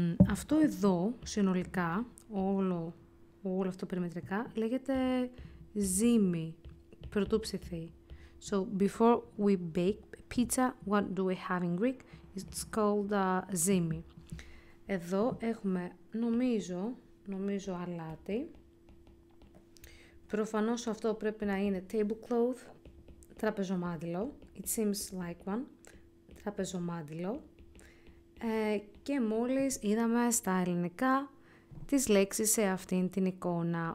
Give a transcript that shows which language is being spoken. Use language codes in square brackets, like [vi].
[el] Αυτό εδώ, συνολικά, όλο αυτό περιμετρικά, λέγεται ζύμη, πρωτούψηθη. [en] So, before we bake pizza, what do we have in Greek? It's called ζύμη. [el] Εδώ έχουμε, νομίζω αλάτι. Προφανώς αυτό πρέπει να είναι tablecloth, τραπεζομάντιλο. [en] It seems like one, τραπεζομάντιλο. [el] Και μόλις είδαμε στα ελληνικά τις λέξεις σε αυτήν την εικόνα.